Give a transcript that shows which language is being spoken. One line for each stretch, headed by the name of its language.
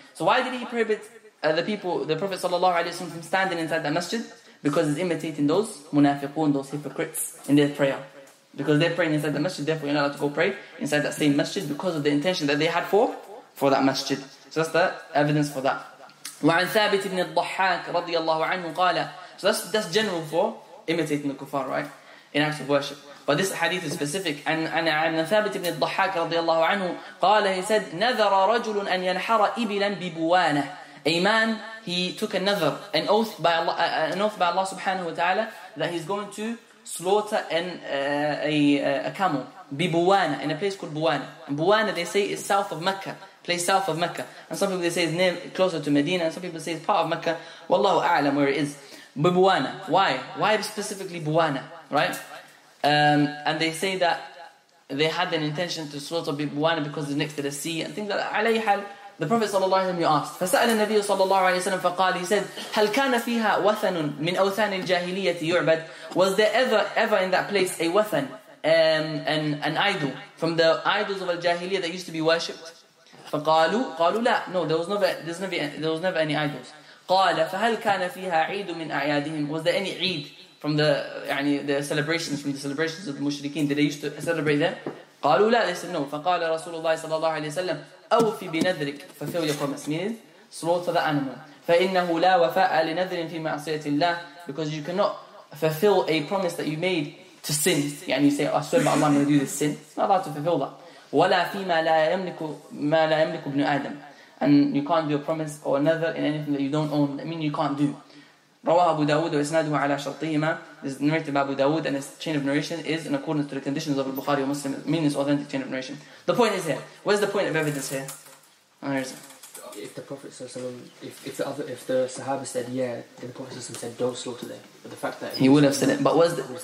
English: So why did he prohibit the people, the Prophet sallallahu alayhi wa sallam, from standing inside that masjid? Because it's imitating those munafiqun, those hypocrites in their prayer. Because they're praying inside the masjid, therefore you're not allowed to go pray inside that same masjid because of the intention that they had for that masjid. So that's the evidence for that.
Arabic: وعن ثابت بن الضحاك رضي الله عنه قال.
English: So that's general for imitating the kuffar, right? In acts of worship. But this hadith is specific.
Arabic: And ثابت بن الضحاك رضي الله عنه قال,
English: he said,
Arabic: نذر رجل أن ينحر إبلا ببوانة.
English: A man, he took a nazar, an oath by Allah, subhanahu wa ta'ala, that he's going to slaughter a camel, Bibuwana, in a place called Buwana. And Buwana, they say, is south of Mecca, place south of Mecca. And some people, they say, is near, closer to Medina, and some people say, it's part of Mecca. Wallahu a'lam where it is. Bibuwana. Why? Why specifically Buwana, right? And they say that they had an intention to slaughter Bibuwana because it's next to the sea, and things like that. Alayhal. The Prophet صلى الله عليه وسلم, you asked.
Arabic: فسأل النبي صلى الله عليه وسلم فقال,
English: he said,
Arabic: هل كان فيها وثن من أوثان الجاهلية يعبد?
English: Was there ever in that place a وثن, an idol from the idols of al-jahiliyyah that used to be worshipped?
Arabic: فقالوا, قالوا لا,
English: no, there was never any idols.
Arabic: قال فهل كان فيها عيد من أعيادهم?
English: Was there any عيد from the celebrations of the mushrikeen that they used to celebrate there?
Arabic: قالوا لا,
English: they said no.
Arabic: فقال رسول الله صلى الله عليه وسلم أوفي بنذرك ففي
English: your promise, means slaughter the animal.
Arabic: فإنه لا وفاء لنذر في معصية الله,
English: because you cannot fulfill a promise that you made to sin. يعني you say, I swear by Allah I'm going to do this sin. It's not allowed to fulfill that.
Arabic: ولا فيما لا يملك ما لا يملك ابن آدم.
English: And you can't do a promise or another in anything that you don't own. I mean, you can't do.
Arabic: رواه أبو داود وإسناده على شرطهما.
English: This is narrated by Abu Dawood, and his chain of narration is in accordance to the conditions of Al-Bukhari or Muslim, meaning it's authentic chain of narration. The point is here. Where's the point of evidence here? Where is it? If the Prophet ﷺ, if the Sahaba said yeah, then the Prophet ﷺ said don't slaughter them. But the fact that he would have said it, but where's the...